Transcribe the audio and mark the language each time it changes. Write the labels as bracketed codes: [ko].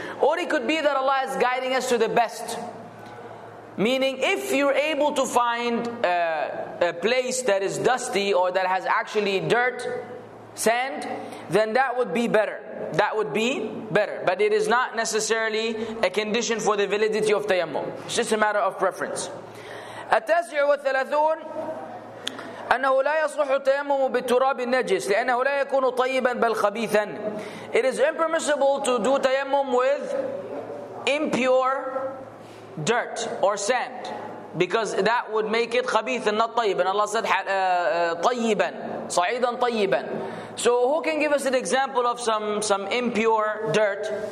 [en] Or it could be that Allah is guiding us to the best. Meaning if you're able to find a place that is dusty or that has actually dirt, sand, then that would be better. That would be better. But it is not necessarily a condition for the validity of tayammum. It's just a matter of preference. [ar] التاسع والثلاثون أنه لا يصلح التيمم بالتراب النجس لأنه لا يكون طيبا بل خبيثا. [en] It is impermissible to do tayammum with impure dirt or sand, because that would make it خبيث and not طيب. And Allah said [ar] طيبا صعيدا طيبا. [en] So who can give us an example of some impure dirt?